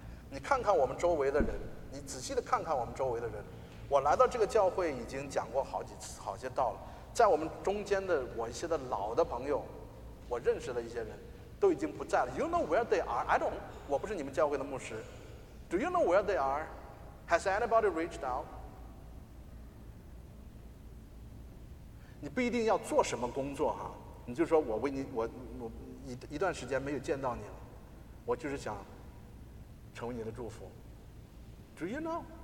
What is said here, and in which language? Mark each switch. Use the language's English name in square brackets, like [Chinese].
[Chinese] 你看看我们周围的人，你仔细的看看我们周围的人。我来到这个教会已经讲过好几次好些道了，在我们中间的我一些的老的朋友，我认识的一些人都已经不在了。 You know where they are? I don't. 我不是你们教会的牧师。 [English] Do you know where they are? Has anybody reached out? [Chinese] 你不一定要做什么工作哈，你就说我为你，我一段时间没有见到你了，我就是想成为你的祝福。 [English] Do you know?